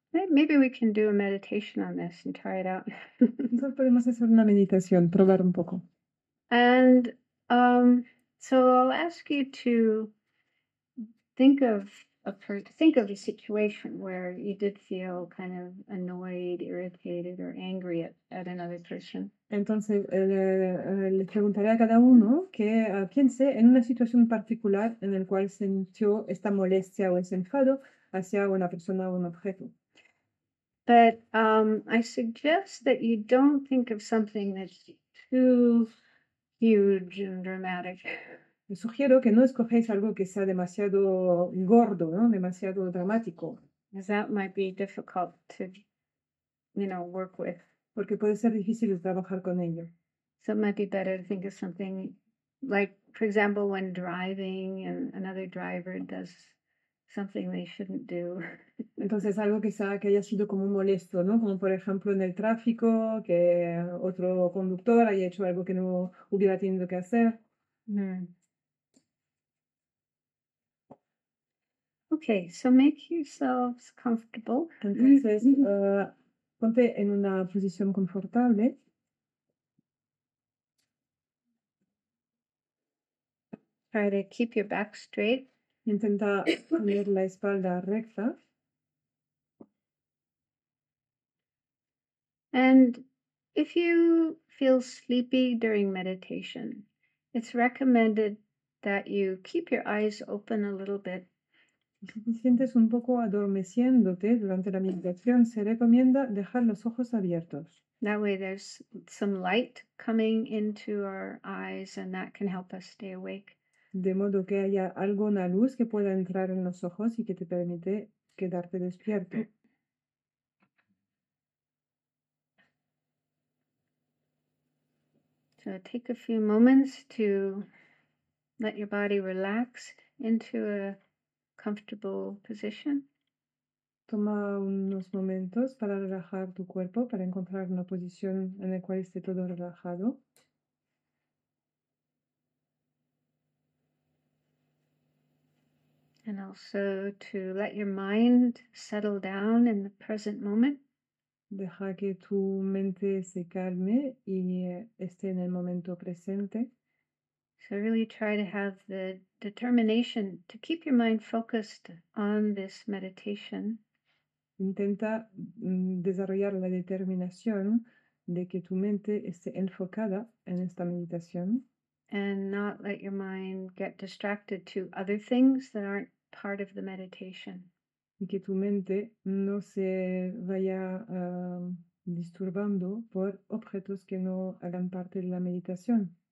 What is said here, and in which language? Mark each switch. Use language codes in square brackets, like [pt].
[en] Maybe we can do a meditation on this and try it out. [es] Entonces podemos hacer una meditación, probar un poco. [en] And so I'll ask you to think of a situation where you did feel kind of annoyed, irritated, or angry at another person. [es] Entonces le preguntaré a cada uno que piense en una situación particular en el cual sintió esta molestia o ese enfado hacia una persona o un objeto. [en] But I suggest that you don't think of something that's too huge and dramatic. [es] Me sugiero que no escogéis algo que sea demasiado gordo, ¿no? Demasiado dramático. [en] Because that might be difficult to, work with. [es] Porque puede ser difícil trabajar con ello. [en] So it might be better to think of something like, for example, when driving and another driver does something they shouldn't do. [es] Entonces algo que sea que haya sido como molesto, ¿no? Como por ejemplo en el tráfico, que otro conductor haya hecho algo que no hubiera tenido que hacer. [en] Okay, so make yourselves comfortable. [es] Entonces, ponte en una posición confortable. [en] Try to keep your back straight. [es] Intenta poner la espalda recta. [en] And if you feel sleepy during meditation, it's recommended that you keep your eyes open a little bit. [es] Si te sientes un poco adormeciéndote durante la meditación, se recomienda dejar los ojos abiertos. [en] That way there's some light coming into our eyes and that can help us stay awake. [es] De modo que haya alguna luz que pueda entrar en los ojos y que te permite quedarte despierto. [en] So take a few moments to let your body relax into a comfortable position. [es] Toma unos momentos para relajar tu cuerpo, para encontrar una posición en la cual esté todo relajado. [en] And also to let your mind settle down in the present moment. [es] Deja que tu mente se calme y esté en el momento presente. [en] So really try to have the determination to keep your mind focused on this meditation. [es] Intenta desarrollar la determinación de que tu mente esté enfocada en esta meditación. [en] And not let your mind get distracted to other things that aren't part of the meditation. [es] Y que tu mente no se vaya disturbando por objetos que no hagan parte de la meditación.